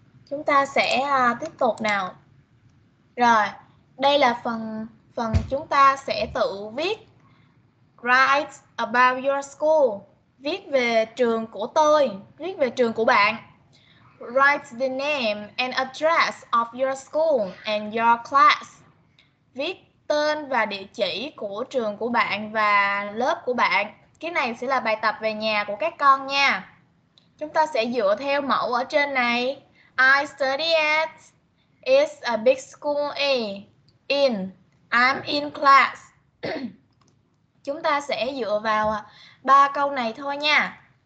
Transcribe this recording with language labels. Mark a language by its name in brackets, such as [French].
[Vietnamese] Chúng ta sẽ tiếp tục nào. Rồi, đây là phần chúng ta sẽ tự viết. [English] Write about your school. [Vietnamese] Viết về trường của tôi, viết về trường của bạn. [English] Write the name and address of your school and your class. [Vietnamese] Viết tên và địa chỉ của trường của bạn và lớp của bạn. Cái này sẽ là bài tập về nhà của các con nha. Chúng ta sẽ dựa theo mẫu ở trên này. [English] I study at is a big school A. In, I'm in class. [Vietnamese] Chúng ta sẽ dựa vào ba câu này thôi nha.